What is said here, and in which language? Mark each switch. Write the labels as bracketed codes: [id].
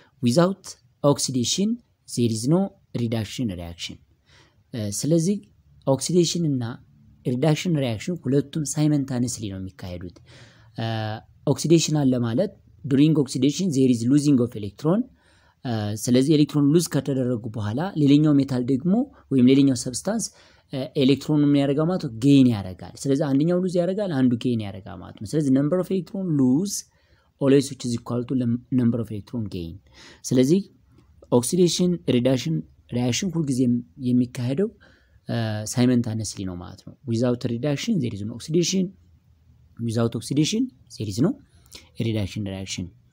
[en] without oxidation there is no reduction reaction. ስለዚህ oxidation እና reduction reaction ሁለቱም simultaneously [am] ነው የሚካሄዱት። [en] oxidation [am] አለ ማለት [en] during oxidation there is losing of electron. [am] ስለዚህ electron lose ከተደረጉ በኋላ ሌላኛው metal ደግሞ ወይም ሌላኛው substance ኤሌክትሮኑ ምን ያደርጋ ማለት ነው? ጌን ያደርጋል። ስለዚህ አንደኛው ሉዝ ያደርጋል አንዱ ጌን ያደርጋ ማለት ነው። ስለዚህ [en] number of electron lose always which is equal to number of electron gain. [am] ስለዚህ oxidation reduction reaction ሁልጊዜ የሚካሄደው simultaneously ነው ማለት ነው። [en] without reduction there is no oxidation without oxidation there is no reduction reaction.